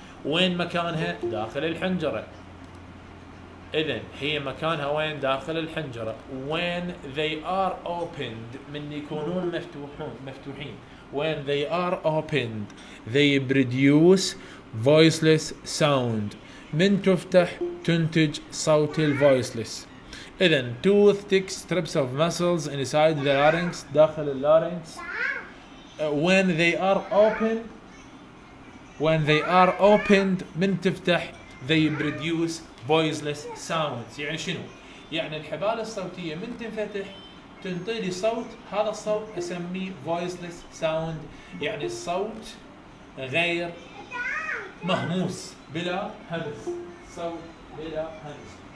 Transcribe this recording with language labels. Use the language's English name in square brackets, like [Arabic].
[Arabic] وين مكانها؟ داخل الحنجرة. إذن هي مكانها وين؟ داخل الحنجرة. [English] When they are opened، [Arabic] من يكونون مفتوحين. [English] When they are opened they produce voiceless sound، [Arabic] من تفتح تنتج صوت الفويسلس. [English] إذن two thick strips of muscles inside the larynx، [Arabic] داخل اللارينج. [English] When they are open، when they are opened [Arabic] من تفتح [English] they produce voiceless sounds. [Arabic] يعني شنو؟ يعني الحبال الصوتية من تنفتح تنطي لي صوت، هذا الصوت اسميه [English] voiceless sound، [Arabic] يعني الصوت غير مهموس بلا همس، صوت بلا همس.